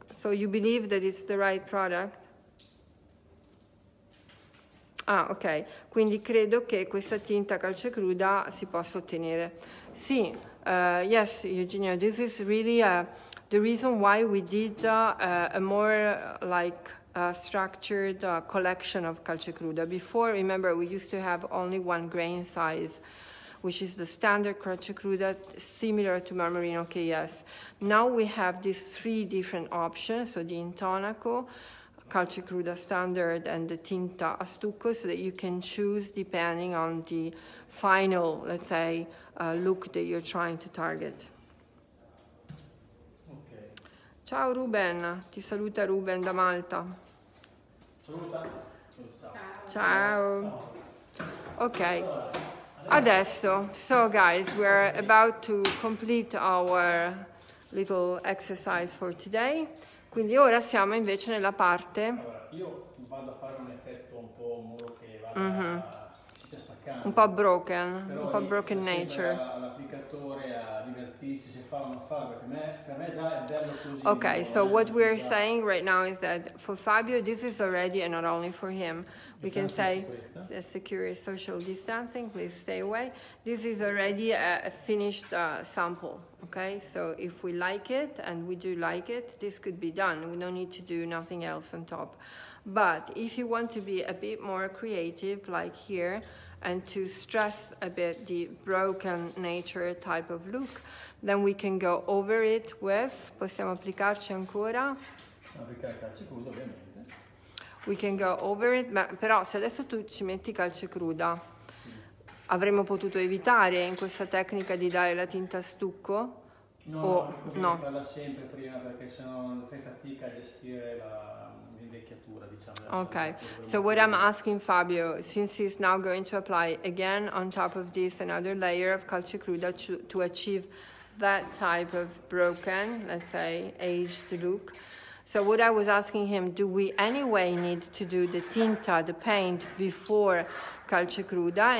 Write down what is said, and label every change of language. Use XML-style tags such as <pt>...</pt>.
<en>So you believe that it's the right product?</en> <it>Ah, ok. Quindi credo che questa tinta calce cruda si possa ottenere. Sì,</it> <en>yes, Eugenio, this is really the reason why we did a more like a structured collection of calce cruda. Before, remember, we used to have only one grain size, which is the standard calce cruda, similar to Marmorino KS. Now we have these three different options, so the Intonaco, calce cruda standard, and the Tinta Astucco, so that you can choose depending on the final, let's say, look that you're trying to target. Okay.</en> <it>Ciao Ruben, ti saluta Ruben da Malta. Saluta. Ciao. Ciao. Ciao. Ok. Adesso,</it> <en>so guys, we're about to complete our little exercise for today.</en> <it>Quindi ora siamo invece nella parte... Allora, io vado a fare un effetto un po' muro che vada, ci sia spaccando. Un po'</it> <en>broken,</en> <it>però un po'</it> <en>broken nature.</en> <it>Però all'applicatore a divertirsi se fa o non fa, per me già è bello così.</it> <en>Ok, so what we're saying right now is that for Fabio this is already, and not only for him, we can say secure social distancing, please stay away. This is already a finished sample, okay? So if we like it, and we do like it, this could be done. We don't need to do nothing else on top. But if you want to be a bit more creative, like here, and to stress a bit the broken nature type of look, then we can go over it with,</en> <it>possiamo applicarci ancora? Applicare calce crudo, ovviamente.</it> <en>We can go over it,</en> <it>ma però se adesso tu ci metti calce cruda, avremmo potuto evitare in questa tecnica di dare la tinta stucco? No, farla sempre prima perché sennò fai fatica a gestire l'invecchiatura, diciamo.</it> <en>Ok, so what I'm asking Fabio, since he's now going to apply again on top of this another layer of calce cruda to achieve that type of broken, let's say, aged look. So what I was asking him, do we anyway need to do the tinta, the paint, before calce cruda?</en>